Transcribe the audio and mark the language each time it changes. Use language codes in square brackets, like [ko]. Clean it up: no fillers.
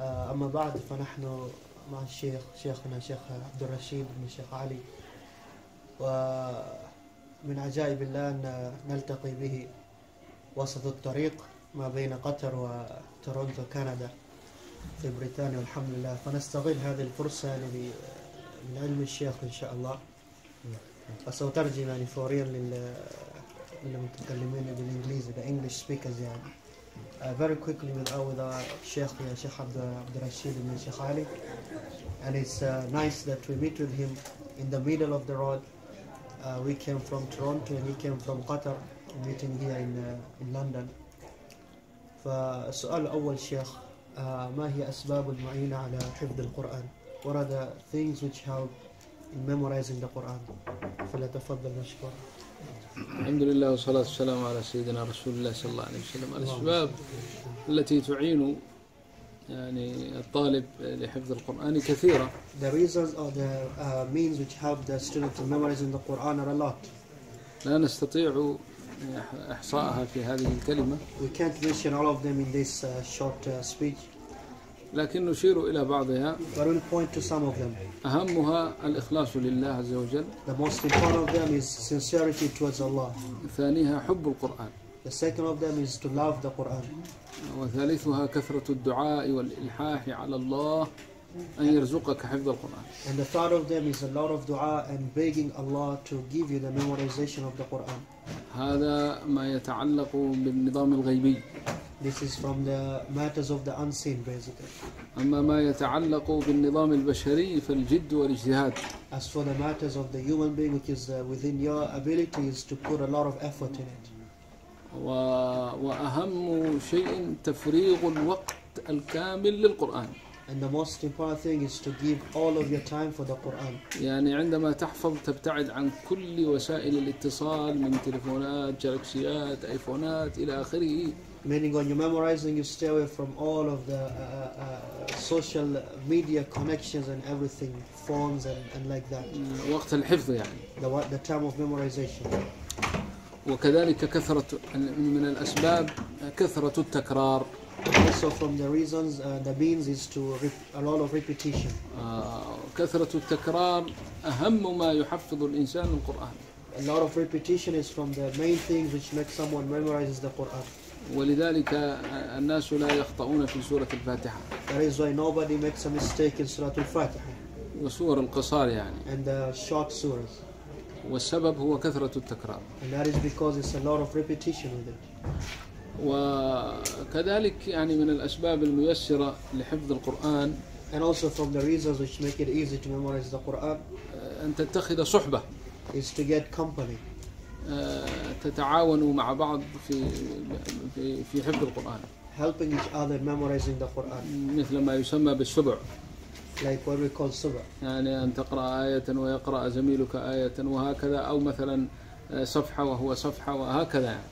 [ar] أما بعد، فنحن مع شيخنا شيخ عبد الرشيد بن الشيخ علي، ومن عجائب الله أن نلتقي به وسط الطريق ما بين قطر وتورونتو كندا في بريطانيا والحمد لله. فنستغل هذه الفرصة من علم الشيخ إن شاء الله، فسوف ترجم يعني فوريا للمتكلمين بالإنجليزي، [en] the English speakers [ar] يعني. [en] Very quickly with Sheikh Abdul Rashid and Sheikh Ali. And it's nice that we meet with him in the middle of the road. We came from Toronto and he came from Qatar, meeting here in London. [ar] فسؤال أول شيخ، ما هي أسباب المعينة على حفظ القرآن؟ [en] What are the things which help in memorizing the Quran? [ar] فلتفضل مشكور. الحمد لله والصلاة والسلام على سيدنا رسول الله صلى الله عليه وسلم. الأسباب التي تعين يعني الطالب لحفظ القرآن كثيرة. [en] The reasons or the means which help the student to memorize the Quran are a lot. [ar] لا نستطيع إحصائها في هذه الكلمة. [en] We can't mention all of them in this short speech. [ar] لكن نشير إلى بعضها. [en] But we'll point to some of them. [ar] أهمها الإخلاص لله عز وجل. [en] The most important of them is sincerity towards Allah. [ar] ثانيها حب القرآن. [en] The second of them is to love the Quran. [ar] وثالثها كثرة الدعاء والإلحاح على الله أن يرزقك حفظ القرآن. [en] And the third of them is a lot of dua and begging Allah to give you the memorization of the Quran. [ar] هذا ما يتعلق بالنظام الغيبي. [en] This is from the matters of the unseen, basically. [ar] أما ما يتعلق بالنظام البشري فالجد والاجتهاد. [en] As for the matters of the human being, which is within your ability, is to put a lot of effort in it. [ar] وأهم شيء تفريغ الوقت الكامل للقرآن. [en] And the most important thing is to give all of your time for the Quran. [ar] يعني عندما تحفظ تبتعد عن كل وسائل الاتصال من تلفونات، جالكسيات، آيفونات إلى آخره. [en] Meaning when you're memorizing, you stay away from all of the social media connections and everything, phones and like that. [ar] وقت الحفظ يعني. [en] The time of memorization. [ar] وكذلك كثرة من الأسباب كثرة التكرار. [en] Also from the reasons, the means is to a lot of repetition. [ar] كثرة التكرار أهم ما يحفظ الإنسان القرآن. [en] A lot of repetition is from the main things which make someone memorizes the Quran. [ar] ولذلك الناس لا يخطئون في سورة الفاتحة. [en] That is why nobody makes a mistake in سورة الفاتحة. [ar] وسور القصار يعني. [en] And the short surahs. [ar] والسبب هو كثرة التكرار. [en] And that is because it's a lot of repetition with it. [ar] وكذلك يعني من الأسباب الميسرة لحفظ القرآن. [en] And also from the reasons which make it easy to memorize the Quran. [ar] أن تتخذ صحبة. [en] Is to get company. [ar] تتعاونوا مع بعض في حفظ القرآن. [en] Helping each other memorizing the Quran. [ar] مثل ما يسمى بالسبع. [en] Like what we call سبع. [ar] يعني أن تقرأ آية ويقرأ زميلك آية وهكذا، أو مثلا صفحة وهو صفحة وهكذا.